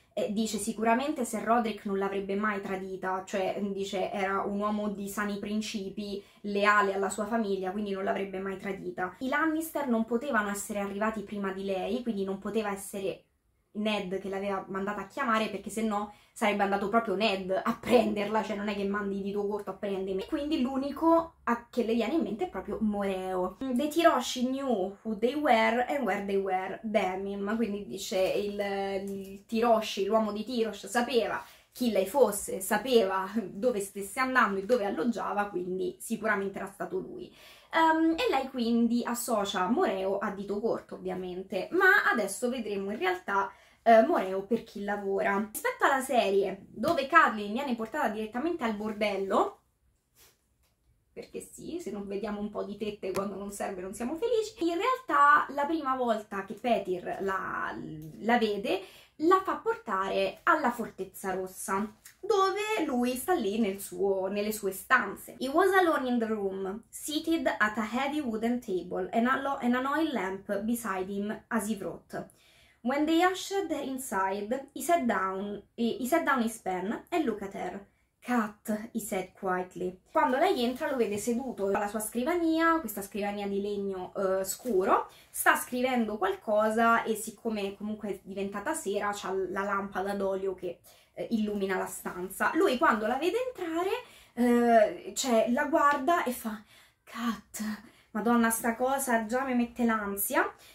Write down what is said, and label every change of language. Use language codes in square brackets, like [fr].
[it] Dice: sicuramente Sir Roderick non l'avrebbe mai tradita, cioè dice era un uomo di sani principi, leale alla sua famiglia, quindi non l'avrebbe mai tradita. I Lannister non potevano essere arrivati prima di lei, quindi non poteva essere Ned che l'aveva mandata a chiamare, perché sennò sarebbe andato proprio Ned a prenderla, cioè non è che mandi di tuo corto a prendermi. E quindi l'unico che le viene in mente è proprio Moreo. [en] The Tiroshi knew who they were and where they were, damn him. [it] Quindi dice il Tiroshi, l'uomo di Tirosh, sapeva chi lei fosse, sapeva dove stesse andando e dove alloggiava, quindi sicuramente era stato lui. E lei quindi associa Moreo a dito corto, ovviamente, ma adesso vedremo in realtà Moreo per chi lavora. Rispetto alla serie, dove Catelyn viene portata direttamente al bordello, perché sì, se non vediamo un po' di tette quando non serve non siamo felici, in realtà la prima volta che Petyr la vede, la fa portare alla Fortezza Rossa, dove lui sta lì nelle sue stanze. [en] He was alone in the room, seated at a heavy wooden table, and an oil lamp beside him as he wrote. When they ushered inside, he set down his pen and looked at her. Cat, he said quietly. [it] Quando lei entra, lo vede seduto alla sua scrivania, questa scrivania di legno scuro, sta scrivendo qualcosa e siccome comunque è diventata sera, c'ha la lampada d'olio che illumina la stanza. Lui, quando la vede entrare, cioè la guarda e fa: Cat, madonna, sta cosa già mi mette l'ansia.